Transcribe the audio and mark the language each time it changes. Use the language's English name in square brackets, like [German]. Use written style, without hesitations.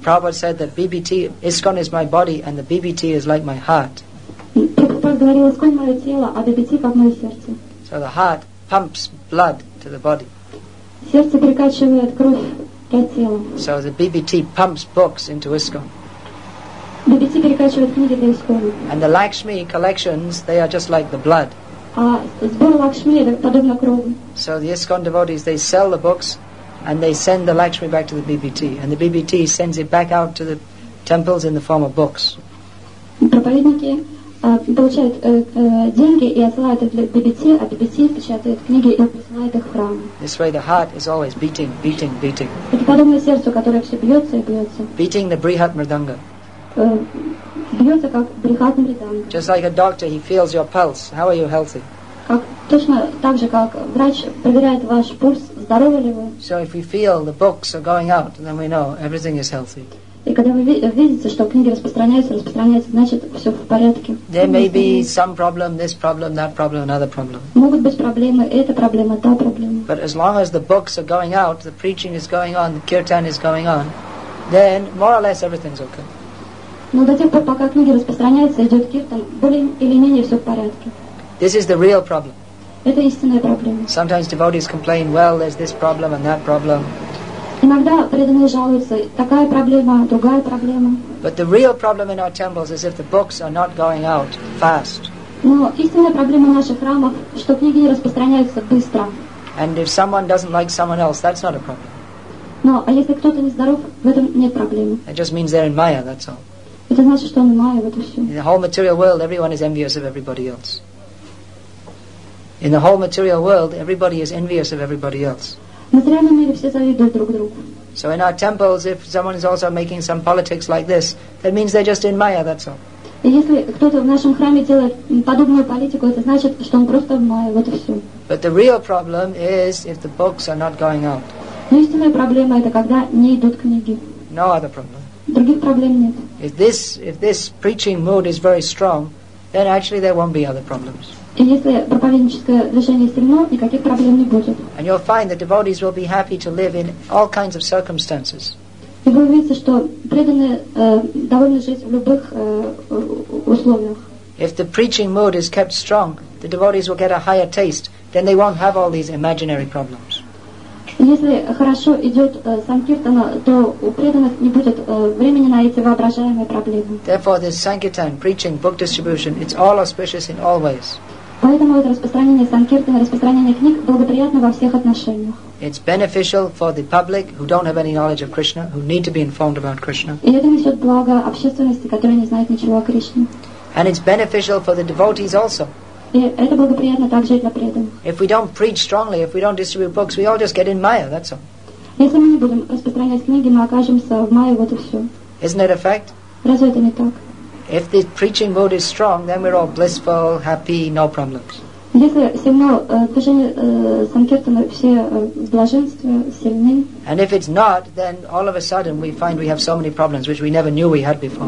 [English] Prabhupada said that BBT, ISKCON is my body and the BBT is like my heart. [Russian] Прабхупада говорил, ISKCON мое тело, а BBT как мое сердце. [English] So the heart pumps blood to the body. [Russian] Сердце перекачивает кровь для тела. [English] So the BBT pumps books into ISKCON. [Russian] BBT перекачивает книги для ISKCON. [English] And the Lakshmi collections, they are just like the blood. [Russian] А сбор Лакшми подобно крови. [English] So the ISKCON devotees, they sell the books and they send the Lakshmi back to the BBT, and the BBT sends it back out to the temples in the form of books. [Russian] Проповедники получают деньги и отсылают их для BBT, а BBT печатает книги и отсылает их в храм. [English] This way the heart is always beating, beating, beating. [Russian] Это подобное сердцу, которое все бьется и бьется. [English] Beating the Brihat Mridanga. [Russian] Бьется как Брихат Мриданга. [English] Just like a doctor, he feels your pulse. How are you healthy? [Russian] Как точно так же, как врач проверяет ваш пульс, здоровы ли вы. [English] So if we feel the books are going out, then we know everything is healthy. [Russian] И когда вы видите, что книги распространяются, значит, все в порядке. [English] There may be some problem, this problem, that problem, another problem. [Russian] Могут быть проблемы, эта проблема, та проблема. [English] But as long as the books are going out, the preaching is going on, the kirtan is going on, then more or less everything's okay. [Russian] Но до тех пор, пока книги распространяются, идет киртан, более или менее все в порядке. [English] This is the real problem. [Russian] Это истинная проблема. [English] Sometimes devotees complain, well, there's this problem and that problem. [Russian] Иногда преданные жалуются, такая проблема, другая проблема. [English] But the real problem in our temples is if the books are not going out fast. [Russian] Но истинная проблема наших храмов, что книги не распространяются быстро. [English] And if someone doesn't like someone else, that's not a problem. [Russian] Но а если кто-то не здоров, в этом нет проблемы. [English] It just means they're in Maya, that's all. [Russian] Это значит, что он в Майе, вот и все. [English] In the whole material world, everyone is envious of everybody else. In the whole material world, everybody is envious of everybody else. [Russian] В материальном мире все завидуют друг другу. [English] So in our temples, if someone is also making some politics like this, that means they're just in Maya, that's all. [Russian] И если кто-то в нашем храме делает подобную политику, это значит, что он просто в Майе, вот и все. [English] But the real problem is if the books are not going out. [Russian] Но истинная проблема это когда не идут книги. [English] No other problem. [Russian] Других проблем нет. [English] If this preaching mood is very strong, then actually there won't be other problems. [Russian] И если проповедническое движение сильно, никаких проблем не будет. [English] And you'll find that devotees will be happy to live in all kinds of circumstances. [Russian] И вы увидите, что преданные довольны жить в любых условиях. [English] If the preaching mood is kept strong, the devotees will get a higher taste, then they won't have all these imaginary problems. [Russian] Если хорошо идет санкиртана, то у преданных не будет времени на эти воображаемые проблемы. [English] Therefore, this sankirtan, preaching, book distribution, it's all auspicious in all ways. [Russian] Поэтому это распространение санкиртана, распространение книг благоприятно во всех отношениях. [English] It's beneficial for the public who don't have any knowledge of Krishna, who need to be informed about Krishna. [Russian] И это несет благо общественности, которая не знает ничего о Кришне. [English] And it's beneficial for the devotees also. [Russian] И это благоприятно также и для преданных. [English] If we don't preach strongly, if we don't distribute books, we all just get in Maya, that's all. [Russian] Если мы не будем распространять книги, мы окажемся в Майе, вот и все. [English] Isn't that a fact? [Russian] Разве это не так? [English] If the preaching mood is strong, then we're all blissful, happy, no problems. [Russian] Если сильно движение санкиртана, все в блаженстве, сильны. [English] And if it's not, then all of a sudden we find we have so many problems which we never knew we had before.